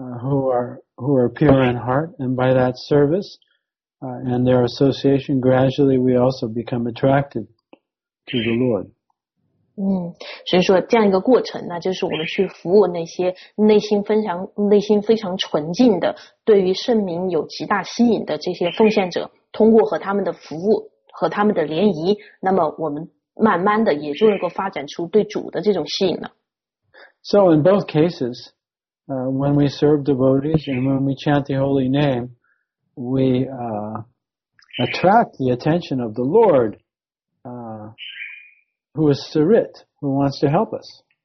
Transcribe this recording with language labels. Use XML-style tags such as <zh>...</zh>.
<en>Who are pure in heart, and by that service, and their association, gradually we also become attracted to the Lord.</en> <zh>所以说这样一个过程，那就是我们去服务那些内心非常纯净的，对于圣名有极大吸引的这些奉献者，通过和他们的服务和他们的联谊，那么我们慢慢的也就能够发展出对主的这种吸引了。</zh> <en>So in both cases, when we serve devotees and when we chant the holy name, we attract the attention of the Lord, who is Sirit, who wants to help us.</en>